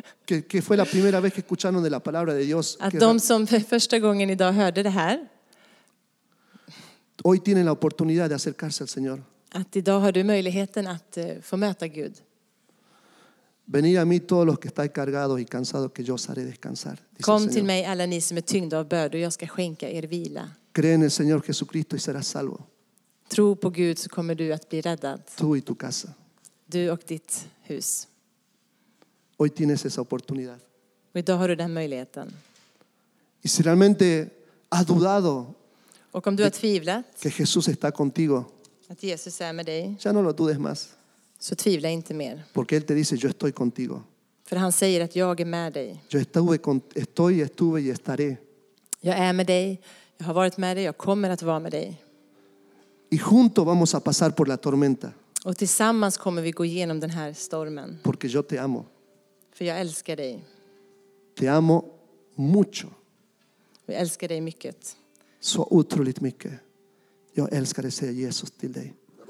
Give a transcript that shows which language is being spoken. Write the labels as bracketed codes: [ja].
[es] Que fue la primera vez que escucharon de la palabra de Dios. [sv] Att de som första gången idag hörde det här. [es] Hoy tienen la oportunidad de acercarse al Señor. [sv] Att idag har du möjligheten att få möta Gud. [es] Venid a mí todos los que estáis cargados y cansados que yo os haré descansar. [sv] Kom till mig alla ni som är tyngda av bördor, jag ska skänka er vila. [es] Cree en el Señor Jesucristo y serás salvo. [sv] Tro på Gud så kommer du att bli räddad. [es] Tú y tu casa. [sv] Du och ditt hus. [es] Hoy tienes esa oportunidad. [sv] Och idag har du den möjligheten. [es] Y si realmente has dudado, [sv] och om du har tvivlat [es] que Jesús está contigo, [sv] att Jesus är med dig, [es] ya no lo dudes más. [sv] Så tvivla inte mer. [es] Porque él te dice, yo estoy contigo. [sv] För han säger att jag är med dig. [es] Yo estuve y estaré. [sv] Jag är med dig. Jag har varit med dig. Jag kommer att vara med dig. [es] Y junto vamos a pasar por la tormenta. [sv] Och tillsammans kommer vi gå igenom den här stormen. [es] Porque yo te amo. [sv] För jag älskar dig. [es] Te amo mucho. [sv] Jag älskar dig mycket. Så otroligt mycket. Jag älskar att säga Jesus till dig.